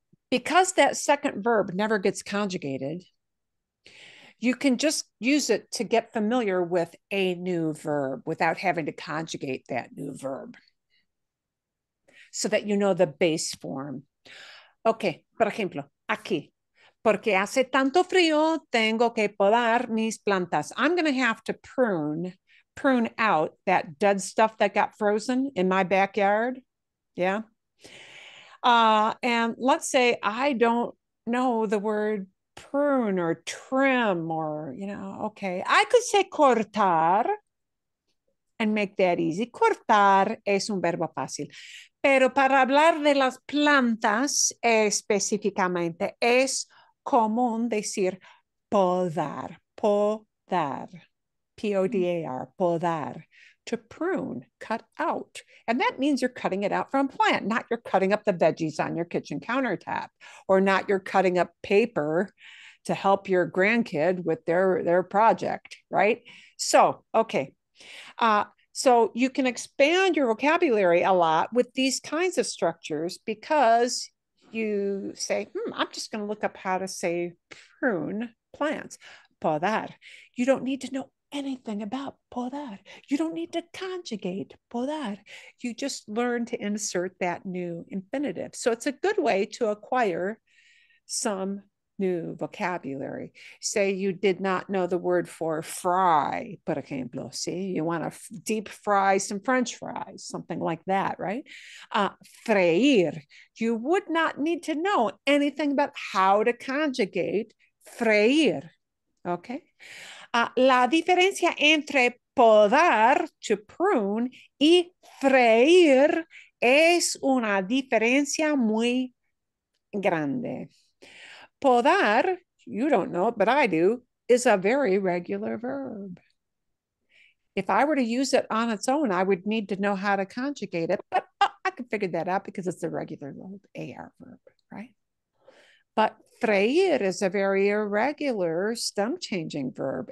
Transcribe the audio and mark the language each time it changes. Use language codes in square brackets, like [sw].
[en] Because that second verb never gets conjugated, you can just use it to get familiar with a new verb without having to conjugate that new verb so that you know the base form. [es] Okay, por ejemplo, aquí. Porque hace tanto frío, tengo que podar mis plantas. [en] I'm going to have to prune out that dead stuff that got frozen in my backyard. Yeah. And let's say I don't know the word prune or trim or, you know, okay. I could say cortar and make that easy. [es] Cortar es un verbo fácil. Pero para hablar de las plantas específicamente, es común decir podar, podar, P-O-D-A-R, podar, [en] to prune, cut out. And that means you're cutting it out from plant, not you're cutting up the veggies on your kitchen countertop, or not you're cutting up paper to help your grandkid with their project, right? So, okay. So you can expand your vocabulary a lot with these kinds of structures because you say, I'm just going to look up how to say prune plants, podar. You don't need to know anything about podar. You don't need to conjugate podar. You just learn to insert that new infinitive. So it's a good way to acquire some new vocabulary. Say you did not know the word for fry, [es] por ejemplo. [en] See, you want to deep fry some French fries, something like that, right? Freír. You would not need to know anything about how to conjugate freír. Okay. [es] La diferencia entre podar, [en] to prune, [es] y freír es una diferencia muy grande. [en] Podar, you don't know it, but I do, is a very regular verb. If I were to use it on its own, I would need to know how to conjugate it, but I can figure that out because it's a regular old AR verb, right? But freír is a very irregular stem-changing verb.